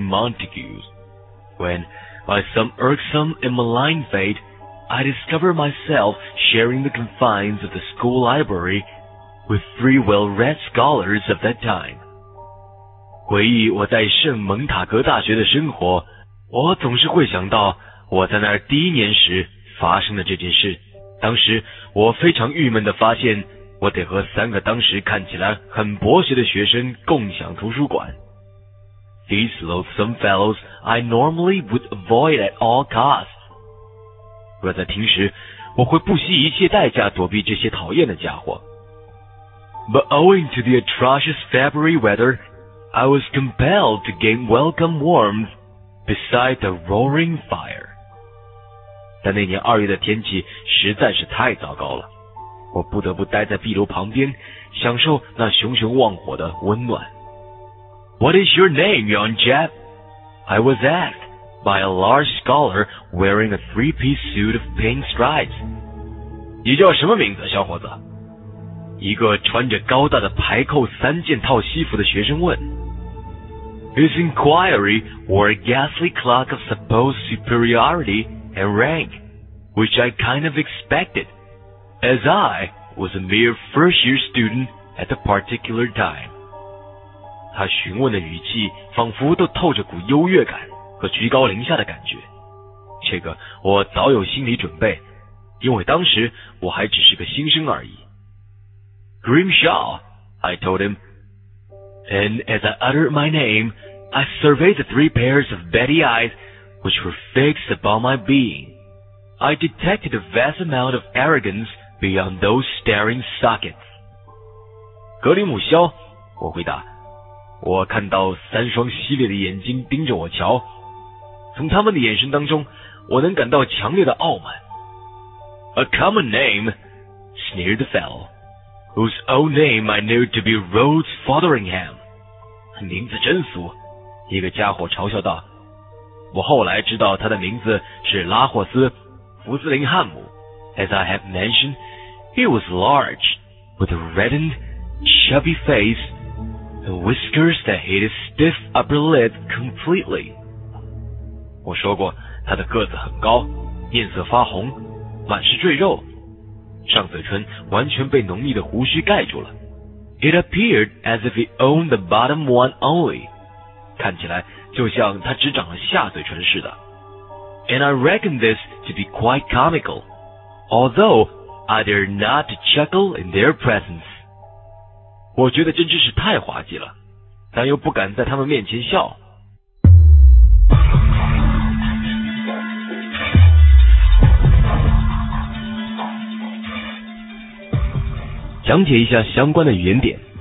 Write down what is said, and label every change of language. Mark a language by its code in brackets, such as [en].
[en] Montague's, when, by some irksome and malign fate, I discover myself sharing the confines of the school library with three well-read scholars of that time. [zh] 回忆我在圣蒙塔格大学的生活，我总是会想到我在那儿第一年时发生的这件事。当时我非常郁闷地发现我得和三个当时看起来很博学的学生共享图书馆。 [en] These loathsome fellows I normally would avoid at all costs. [zh] 若在平时，我会不惜一切代价躲避这些讨厌的家伙。 [en] But owing to the atrocious February weather, I was compelled to gain welcome warmth beside the roaring fire. [zh] 但那年二月的天气实在是太糟糕了，我不得不待在壁炉旁边，享受那熊熊旺火的温暖。 [en] What is your name, young chap? I was asked by a large scholar wearing a three-piece suit of pink stripes. [zh] 你叫什么名字，小伙子？一个穿着高大的排扣三件套西服的学生问。 [en] His inquiry wore a ghastly clock of supposed superiority and rank, which I kind of expected, as I was a mere first-year student at the particular time. [zh] 他询问的语气仿佛都透着股优越感和居高临下的感觉。这个我早有心理准备，因为当时我还只是个新生而已。 [en] Grimshaw, I told him, and as I uttered my name,I surveyed the three pairs of beady eyes which were fixed upon my being. I detected a vast amount of arrogance beyond those staring sockets. [zh] 格里姆肖，我回答，我看到三双犀利的眼睛盯着我瞧，从他们的眼神当中，我能感到强烈的傲慢。 [en] A common name, sneered the fellow, whose own name I knew to be Rhodes Fotheringham. [zh] 名字真俗，一个家伙嘲笑道，我后来知道他的名字是拉霍斯·福斯林汉姆。 [en] As I have mentioned, he was large, with a reddened, chubby face, and whiskers that hid his stiff upper lip completely. [zh] 我说过，他的个子很高，面色发红，满是赘肉，上嘴唇完全被浓密的胡须盖住了。 [en] It appeared as if he owned the bottom one only. [zh] 看起来就像他只长了下嘴唇似的。 [en] And I reckon this to be quite comical, although I dare not to chuckle in their presence. [zh] 我觉得真真是太滑稽了，但又不敢在他们面前笑。讲解一下相关的语言点。